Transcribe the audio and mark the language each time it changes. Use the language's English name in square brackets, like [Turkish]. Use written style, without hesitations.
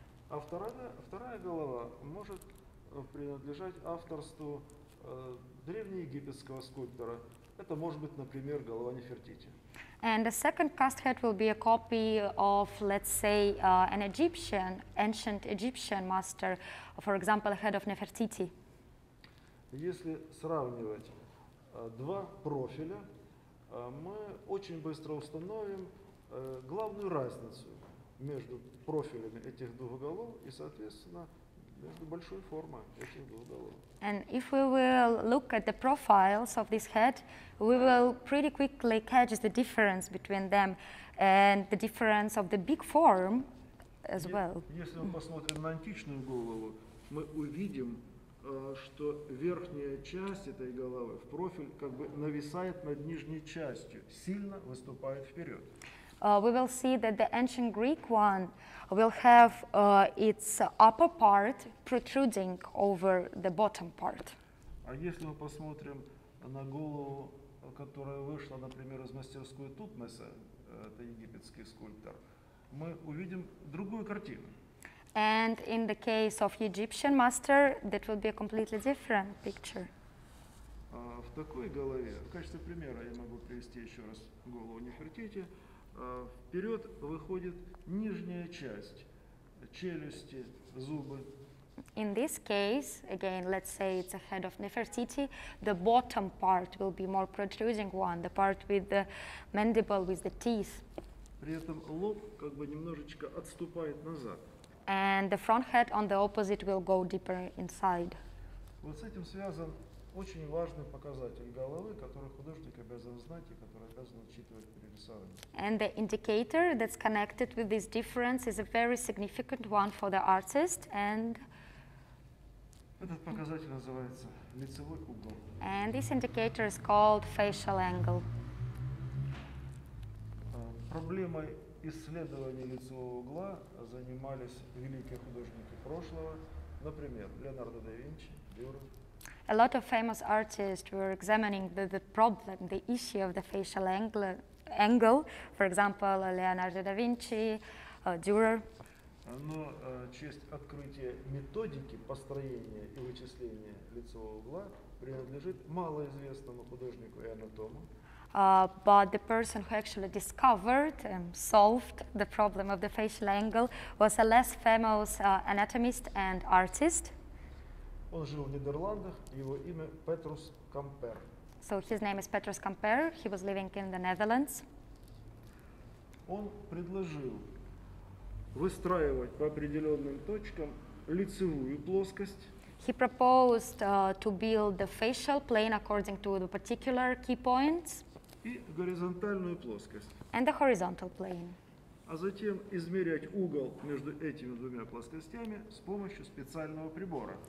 [Russian] А вторая голова может принадлежать авторству древнеегипетского скульптора. Это может быть, например, голова Нефертити. [English] And the second cast head will be a copy of, let's say, an Egyptian, ancient Egyptian master, for example, a head of Nefertiti. [Russian] Если сравнивать два профиля, мы очень быстро установим главную разницу между профилями этих двух голов и, соответственно, между большой формой этих двух голов. [English] And if we will look at the profiles of this head, we will pretty quickly catch the difference between them and the difference of the big form as well. [Russian] Если мы посмотрим на античную голову, мы увидим, что верхняя часть этой головы в профиль как бы нависает над нижней частью, сильно выступает вперед. [English] We will see that the ancient Greek one will have its upper part protruding over the bottom part. [Russian] А если мы посмотрим на голову, которая вышла, например, из мастерской Тутмоса, это египетский скульптор, мы увидим другую картину. [English] And in the case of Egyptian master, that will be a completely different picture. [Russian] В такой голове, в качестве примера, я могу привести еще раз голову Нефертити. Вперед выходит нижняя часть, челюсти, зубы. [English] In this case, again, let's say it's a head of Nefertiti, the bottom part will be more protruding one, the part with the mandible, with the teeth. [Russian] При этом лоб как бы немножечко отступает назад. [English] And the front head on the opposite will go deeper inside. [Russian] Вот с этим связан очень важный показатель головы, который художник обязан знать и который обязан учитывать при рисовании. [English] And the indicator that's connected with this difference is a very significant one for the artist. And [Russian] этот показатель называется лицевой угол. [English] And this indicator is called facial angle. [Russian] Проблемой исследования лицевого угла занимались великие художники прошлого, например, Леонардо да Винчи, Дюров. [English] A lot of famous artists were examining the problem, the issue of the facial angle, for example, Leonardo da Vinci, Dürer. [Russian] Но честь открытия методики построения и вычисления лицевого угла принадлежит малоизвестному художнику и анатому. [English] But the person who actually discovered and solved the problem of the facial angle was a less famous anatomist and artist. [Russian] Он жил в Нидерландах, его имя Петрус Кампер. [English] So his name is Petrus Kamper, he was living in the Netherlands. [Russian] Он предложил выстраивать по определенным точкам лицевую плоскость. [English] He proposed to build the facial plane according to the particular key points. [Russian] И горизонтальную плоскость. [English] And the horizontal plane. [Russian] А затем измерять угол между этими двумя плоскостями с помощью специального прибора.